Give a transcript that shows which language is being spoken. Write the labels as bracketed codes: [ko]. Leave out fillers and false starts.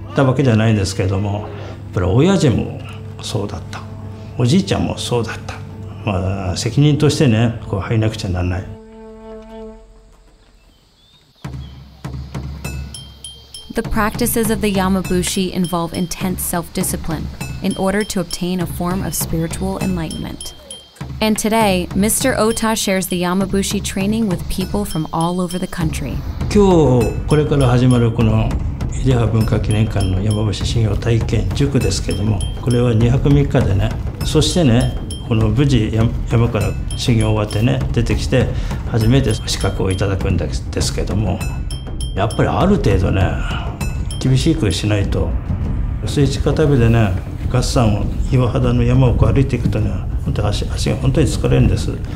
[ja] たわけじゃないんですけれども、やっぱり親父もそうだった、おじいちゃんもそうだった。まあ責任としてね、こう入らなくちゃならない。 [en] The practices of the Yamabushi involve intense self-discipline in order to obtain a form of spiritual enlightenment. And today, Mr. Ota shares the Yamabushi training with people from all over the country. [ja] 今日これから始まるこの出羽文化記念館の山伏修行体験塾ですけれども、これは2泊3日でね、そしてね、この無事 山から修行終わってね、出てきて、初めて資格をいただくんですけれども、やっぱりある程度ね、厳しくしないと、水地片部でね、月山を岩肌の山を歩いていくとね、本当に足が本当に疲れるんです。